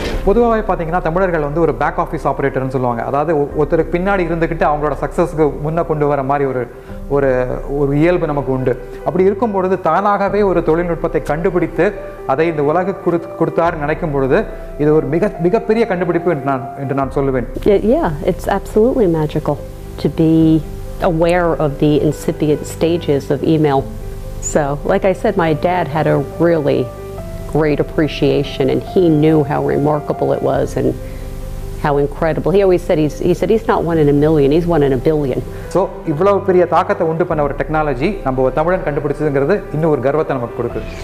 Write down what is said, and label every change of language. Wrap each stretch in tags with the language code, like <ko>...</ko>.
<ta>பொதுவாகவே பார்த்தீங்கன்னா தமிழர்கள் வந்து ஒரு பேக் ஆஃபீஸ் ஆப்ரேட்டர்னு சொல்லுவாங்க. அதாவது ஒருத்தருக்கு பின்னாடி இருந்துக்கிட்டு அவங்களோட சக்ஸஸ்க்கு முன்னே கொண்டு வர மாதிரி ஒரு ஒரு ஒரு இயல்பு நமக்கு உண்டு. அப்படி இருக்கும்பொழுது தானாகவே ஒரு தொழில்நுட்பத்தை கண்டுபிடித்து அதை இந்த உலகக்கு கொடுத்தாருன்னு நினைக்கும் பொழுது இது ஒரு மிக மிகப்பெரிய கண்டுபிடிப்பு என்று நான் சொல்லுவேன்.</ta> <en>Yeah, it's absolutely magical to be aware of the incipient stages of email. So, like I said, my dad had a really great appreciation and he knew how remarkable it was and how incredible. He always said he said he's not one in a million, he's one in a billion. So</en> <ta>இவ்வளவு பெரிய தாக்கத்தை உண்டு பண்ண ஒரு technology நம்ம தமிழன் கண்டுபிடிச்சதுங்கிறது இன்னும் ஒரு கர்வத்தை நமக்கு கொடுக்கு.</ta>